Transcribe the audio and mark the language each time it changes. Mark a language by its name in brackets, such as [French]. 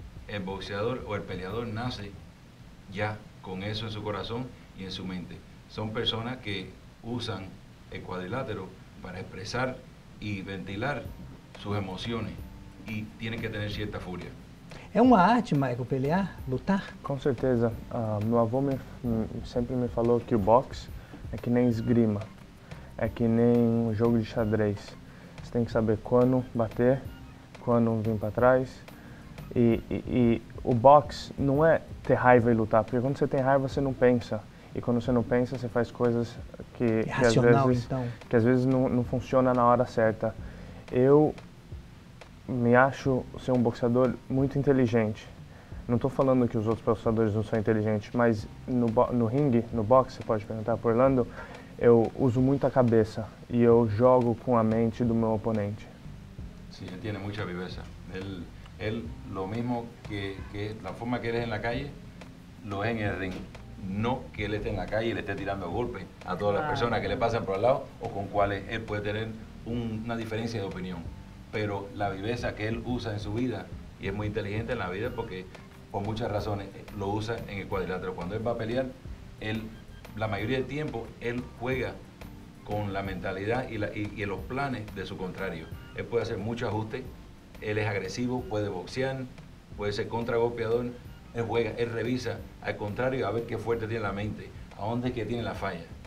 [Spanish] El boxeador o el peleador nace ya con eso en su corazón y en su mente. Son personas que usan el cuadrilátero para expresar y ventilar sus emociones y tienen que tener cierta furia. [Portuguese] É uma arte, Michael, pelear, lutar? Com certeza. Meu avô sempre me falou que o boxe é que nem esgrima, é que nem um jogo de xadrez. Você tem que saber quando bater, quando vir para trás. E o boxe não é ter raiva e lutar, porque quando você tem raiva você não pensa. E quando você não pensa, você faz coisas que às vezes não funciona na hora certa. Eu me acho ser um boxeador muito inteligente. Não estou falando que os outros boxeadores não são inteligentes, mas no ringue, no boxe, você pode perguntar para o Orlando, eu uso muito a cabeça e eu jogo com a mente do meu oponente. Sim, ele tem muita viveza. Ele, o mesmo que a forma que ele é na calle, lo é no ringue. Não que ele esteja na calle e ele esteja tirando golpes a todas as pessoas que ele passam por ao lado ou com quais ele pode ter uma diferença de opinião. [Spanish] Pero la viveza que él usa en su vida, y es muy inteligente en la vida porque por muchas razones lo usa en el cuadrilátero. Cuando él va a pelear, él, la mayoría del tiempo, él juega con la mentalidad y los planes de su contrario. Él puede hacer muchos ajustes, él es agresivo, puede boxear, puede ser contragolpeador, él juega, él revisa al contrario a ver qué fuerte tiene la mente, a dónde es que tiene la falla.